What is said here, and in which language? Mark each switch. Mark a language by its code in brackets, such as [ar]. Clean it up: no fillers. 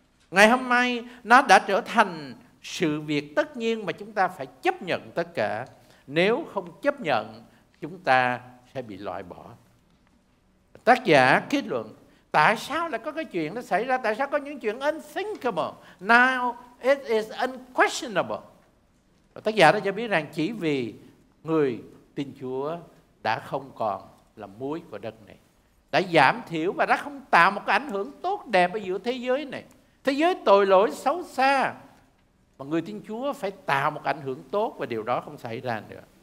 [vi] Ngày hôm nay, nó đã trở thành sự việc tất nhiên mà chúng ta phải chấp nhận tất cả. Nếu không chấp nhận, chúng ta sẽ bị loại bỏ. Tác giả kết luận, tại sao lại có cái chuyện nó xảy ra? Tại sao có những chuyện unthinkable? [en] Now it is unquestionable. [vi] Và tác giả đã cho biết rằng chỉ vì người tin Chúa đã không còn là muối của đất này, đã giảm thiểu và đã không tạo một cái ảnh hưởng tốt đẹp ở giữa thế giới này. Thế giới tội lỗi xấu xa, mà người tin Chúa phải tạo một ảnh hưởng tốt và điều đó không xảy ra nữa.